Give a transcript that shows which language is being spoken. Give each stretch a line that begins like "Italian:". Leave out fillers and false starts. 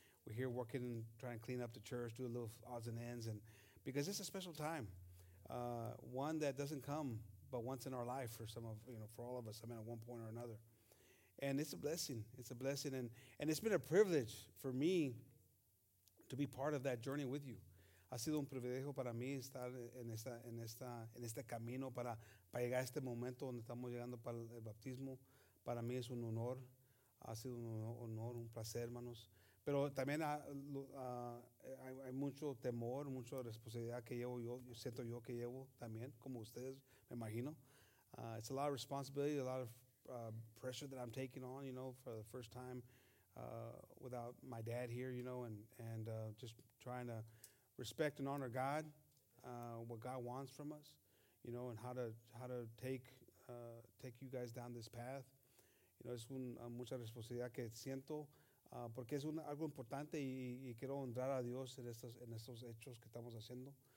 English: We're here working, trying to clean up the church, do a little odds and ends, and because it's a special time, one that doesn't come but once in our life for some of, you know, for all of us, I mean, at one point or another. And it's a blessing. It's a blessing. And it's been a privilege for me to be part of that journey with you.
Spanish: Ha sido un privilegio para mí estar en este camino para llegar a este momento donde estamos llegando para el bautismo. Para mí es un honor. Ha sido un honor, un placer, hermanos. Pero también hay mucho temor, mucha responsabilidad que llevo yo siento yo que llevo también, como ustedes, me imagino.
English: It's a lot of responsibility, a lot of pressure that I'm taking on, you know, for the first time without my dad here, you know, and just trying to respect and honor God, what God wants from us, you know, and how to take you guys down this path. You know,
Spanish: es mucha responsabilidad que siento. Porque es algo importante y quiero honrar a Dios en estos hechos que estamos haciendo.